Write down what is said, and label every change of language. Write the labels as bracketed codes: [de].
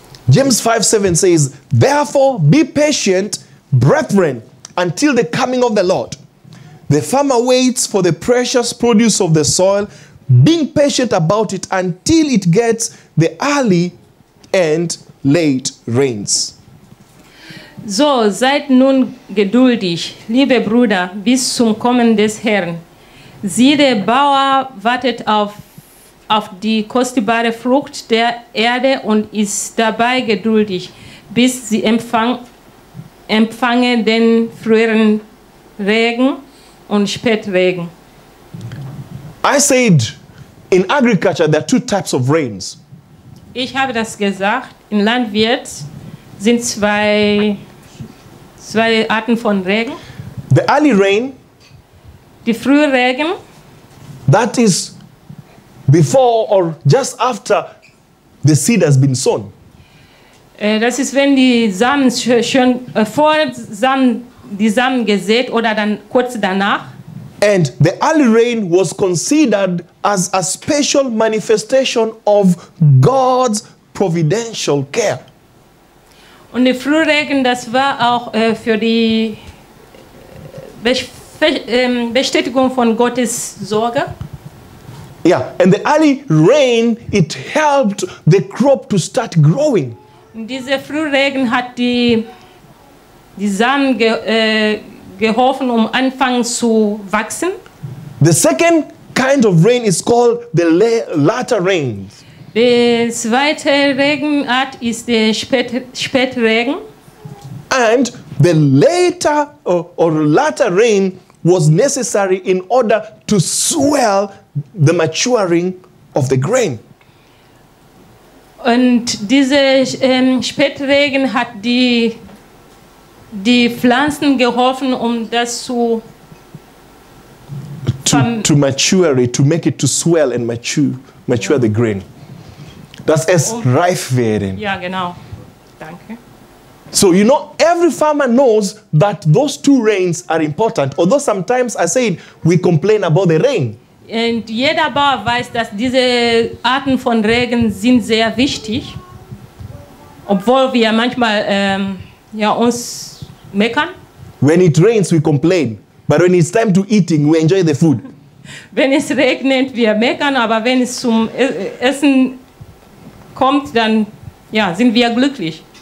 [en] James 5:7 says, therefore be patient, brethren, until the coming of the Lord. The farmer waits for the precious produce of the soil, being patient about it until it gets the early and late rains. [de] So, seid nun geduldig, liebe Brüder, bis zum Kommen des Herrn. Siehe, der Bauer wartet auf die kostbare Frucht der Erde und ist dabei geduldig, bis sie empfange den früheren Regen und Spätregen. [en] I said, in agriculture there are two types of rains. [de] Ich habe das gesagt, im Land wird, sind zwei Arten von Regen. [en] The early rain, [de] die frühe Regen, [en] that is before or just after the seed has been sown. [de] Das ist, wenn die Samen schon vor Samen, die Samen gesät oder dann kurz danach. [en] And the early rain was considered as a special manifestation of God's providential care. [de] Und der Frühregen, das war auch für die Bestätigung von Gottes Sorge. [en] Yeah, and the early rain, it helped the crop to start growing. [de] Und dieser Frühregen hat die Samen geholfen, um anfangen zu wachsen. [en] The second kind of rain is called the latter rain. [de] Die zweite Regenart ist der Spätregen. [en] And the later or latter rain was necessary in order to swell the maturing of the grain. [de] Und diese Spätregen hat die Pflanzen geholfen, um das zu [en] to mature it, to make it to swell and mature the grain. [de] Dass es reif werden. Ja, genau. Danke. [en] So, you know, every farmer knows that those two rains are important. Although sometimes I say we complain about the rain. [de] Und jeder Bauer weiß, dass diese Arten von Regen sind sehr wichtig. Obwohl wir manchmal uns meckern. [en] When it rains, we complain. But when it's time to eating, we enjoy the food. [de] Wenn es regnet, wir meckern. Aber wenn es zum Essen kommt, dann ja, sind wir glücklich.